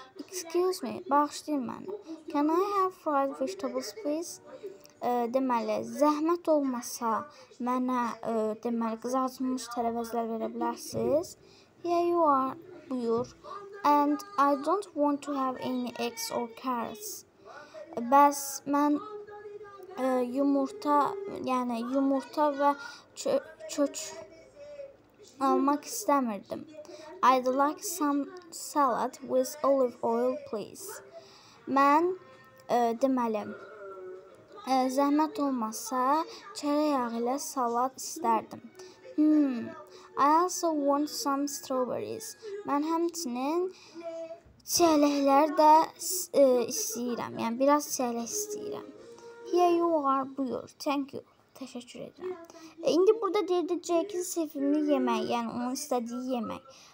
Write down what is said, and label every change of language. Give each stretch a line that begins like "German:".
English: Excuse me,
Azerbaijani: bağışlayın məni.
English: Can I have fried vegetables, please?
Azerbaijani: Deməli, zəhmət olmasa mənə deməli, qızardılmış tərəvəzlər verə bilərsiniz.
English: Here you are, buyur. And I don't want to have any eggs or carrots.
Azerbaijani: Bəs mən yumurta, yəni yumurta və çöç almaq istəmirdim.
English: I'd like some salad with olive oil, please.
Azerbaijani: Mən, deməli, zəhmət olmasa çərəyağı ilə salat istərdim.
English: I also want some strawberries.
Azerbaijani: Mən həmçinin çiyələklər də istəyirəm. Yəni, biraz çiyələk istəyirəm.
English: Here you are,
Azerbaijani: buyur.
English: Thank you.
Azerbaijani: Təşəkkür edirəm. İndi burada deyirdi Jake'in sevimli yemək, yəni onun istədiyi yemək.